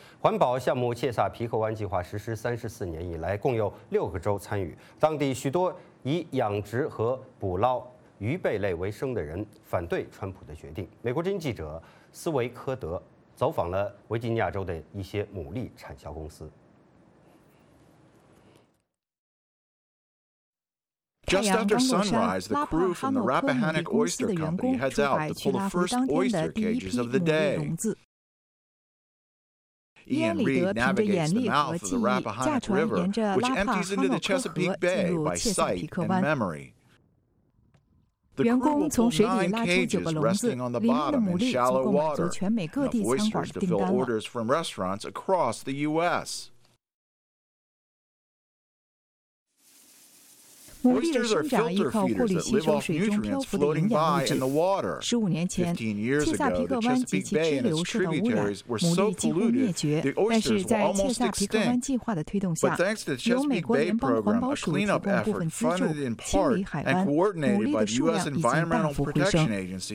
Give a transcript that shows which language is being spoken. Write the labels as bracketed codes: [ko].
[zh] 环保项目切萨皮克湾计划实施34年以来，共有6个州参与，当地许多以养殖和捕捞鱼贝类为生的人反对川普的决定。美国之音记者斯维科德走访了维吉尼亚州的一些牡蛎产销公司。 [en] Just after sunrise, the crew from the Rappahannock Oyster Company heads out to pull the first oyster cages of the day. Ian Reed navigates the mouth of the Rappahannock River, which empties into the Chesapeake Bay by sight and memory. The crew will pull 9 cages resting on the bottom in shallow water, enough oysters to fill orders from restaurants across the U.S. [zh] 牡蛎的生长依靠过滤器中水中漂浮的营养物质。 15年前，切萨皮克湾及其支流受到污染，牡蛎几乎灭绝。但是在切萨皮克湾计划的推动下，由美国联邦环保署提供部分资助，清理海湾，牡蛎的数量已经大幅回升。